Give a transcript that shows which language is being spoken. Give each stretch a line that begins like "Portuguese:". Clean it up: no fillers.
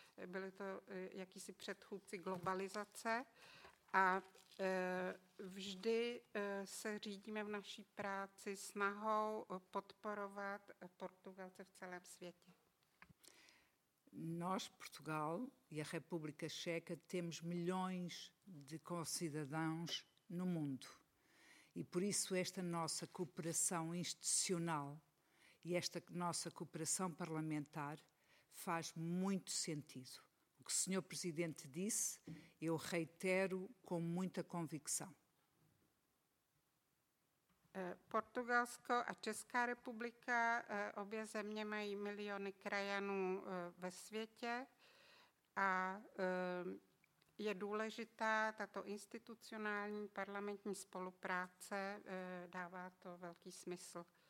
Czech: Byli to jakýsi předchůdci globalizace. A vždy se řídíme v naší práci snahou podporovat Portugalce v celém světě.
Portuguese: Nós, Portugal e a República Checa, temos milhões de concidadãos no mundo. E por isso esta nossa cooperação institucional e esta nossa cooperação parlamentar faz muito sentido. O que o Sr. Presidente disse, eu reitero com muita convicção.
Czech: Portugalsko a Česká republika, obě země mají miliony krajanů ve světě a je důležitá tato institucionální parlamentní spolupráce, dává to velký smysl.